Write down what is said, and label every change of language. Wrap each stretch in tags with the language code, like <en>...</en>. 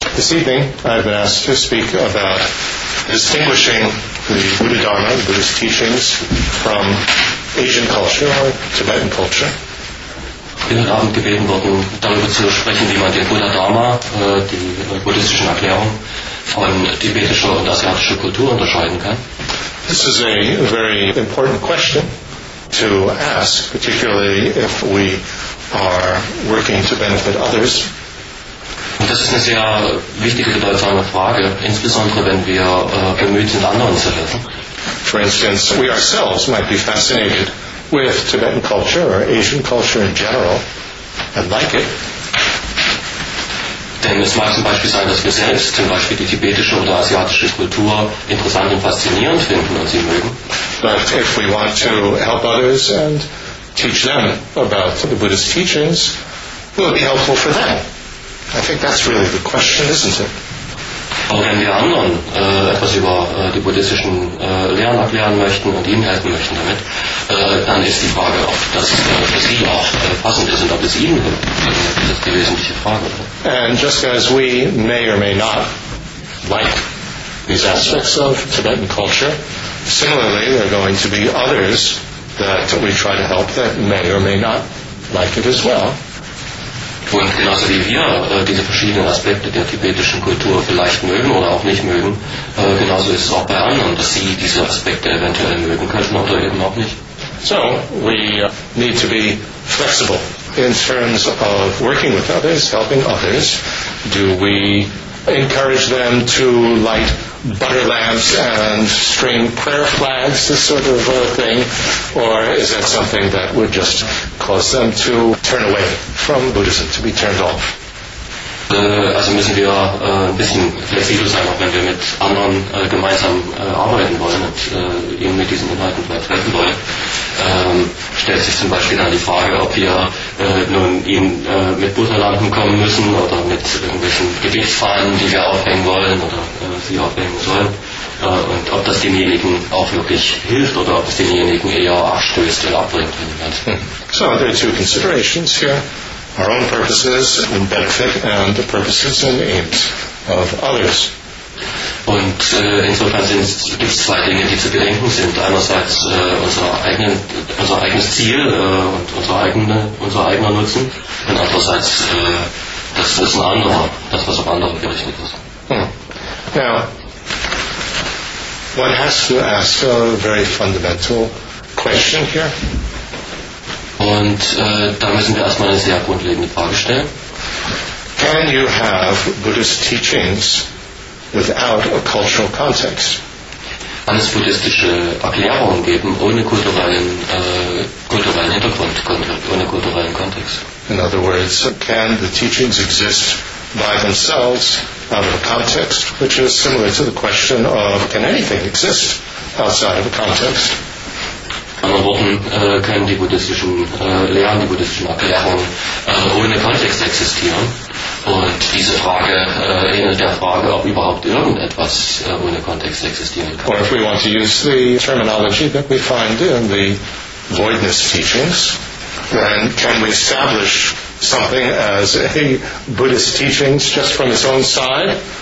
<en>This evening, I've been asked to speak about distinguishing the Buddha Dharma, the Buddhist teachings, from Asian culture or Tibetan culture.</en> <de>Ich bin heute Abend gebeten worden, darüber zu sprechen, wie man den Buddha Dharma, die buddhistischen Erklärungen, von tibetischer und asiatischer Kultur unterscheiden kann.</de> <en>This is a very important question to ask, particularly if we are working to benefit others.</en> <de>Und das ist eine sehr wichtige, bedeutsame Frage, insbesondere wenn wir bemüht sind, anderen zu helfen.</de> <en>For instance, we ourselves might be fascinated with Tibetan culture or Asian culture in general and like it.</en> <de>Denn es mag zum Beispiel sein, dass wir selbst zum Beispiel die tibetische oder asiatische Kultur interessant und faszinierend finden und sie mögen.</de> <en>But if we want to help others and teach them about the Buddhist teachings, will it be helpful for them? I think that's really the question, isn't it?</en> <de>Aber wenn wir anderen etwas über die buddhistischen Lehren erklären möchten und ihnen helfen möchten damit, dann ist die Frage, ob das für sie auch passend ist und ob es ihnen hilft. Das ist die wesentliche Frage.</de> <en>And just as we may or may not like these aspects of Tibetan culture, similarly there are going to be others that we try to help that may or may not like it as well.</en> <de>Und genauso wie wir diese verschiedenen Aspekte der tibetischen Kultur vielleicht mögen oder auch nicht mögen, genauso ist es auch bei anderen, dass sie diese Aspekte eventuell mögen könnten oder eben auch nicht.</de> <en>So, we need to be flexible in terms of working with others, helping others. Do we encourage them to light butter lamps and string prayer flags, this sort of thing, or is that something that would just cause them to turn away from Buddhism, to be turned off?</en> <de>Also müssen wir ein bisschen flexibel sein, auch wenn wir mit anderen gemeinsam arbeiten wollen und eben mit diesen Inhalten vielleicht helfen wollen. Stellt sich zum Beispiel dann die Frage, ob wir nun ihnen mit Butterlampen kommen müssen oder mit irgendwelchen Gewichtsfahnen, die wir aufhängen wollen oder sie aufhängen sollen. Und ob das denjenigen auch wirklich hilft oder ob es denjenigen eher abstößt oder abbringt.</de> <en>So, there are two considerations here. Our own purposes and benefit, and the purposes and aims of others.</en> <de>Und insofern gibt es zwei Dinge, die zu bedenken sind. Einerseits unser eigenes Ziel und unser eigener Nutzen, und andererseits das Wissen anderer, das was auf andere gerichtet ist.</de> <en>Hm. Now, one has to ask a very fundamental question here.</en> <de>Und da müssen wir erstmal eine sehr grundlegende Frage stellen.</de> <en>Can you have Buddhist teachings without a cultural context?</en> <de>Kann es buddhistische Erklärungen geben ohne kulturellen, kulturellen Hintergrund, ohne kulturellen Kontext?</de> <en>In other words, can the teachings exist by themselves out of a context, which is similar to the question of can anything exist outside of a context?</en> <de>In anderen Worten, können die buddhistischen Lehren, die buddhistischen Erklärungen ohne Kontext existieren? Und diese Frage ähnelt der Frage, ob überhaupt irgendetwas ohne Kontext existieren kann.</de> <en>Or if we want to use the terminology that we find in the voidness teachings, then can we establish something as a Buddhist teachings just from its own side?</en>